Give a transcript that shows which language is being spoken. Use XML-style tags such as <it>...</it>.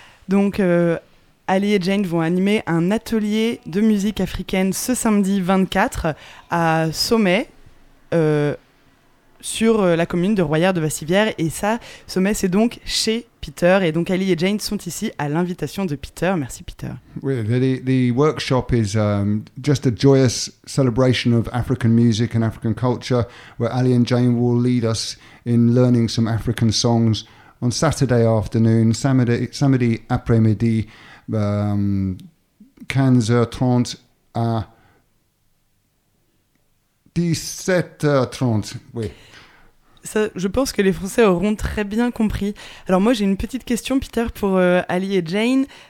<fr>Donc, Ali et Jane vont animer un atelier de musique africaine ce samedi 24 à Soumet, sur la commune de Royer de Vassivière. Et ça, Soumet, c'est donc chez Peter. Et donc Ali et Jane sont ici à l'invitation de Peter. Merci Peter.</fr> <en>Oui, the workshop is just a joyous celebration of African music and African culture, where Ali and Jane will lead us in learning some African songs on Saturday afternoon,</en> <fr>samedi après-midi, 15h30 à 17h30, oui. Ça, je pense que les Français auront très bien compris. Alors moi, j'ai une petite question, Peter, pour Ali et Jane.</fr>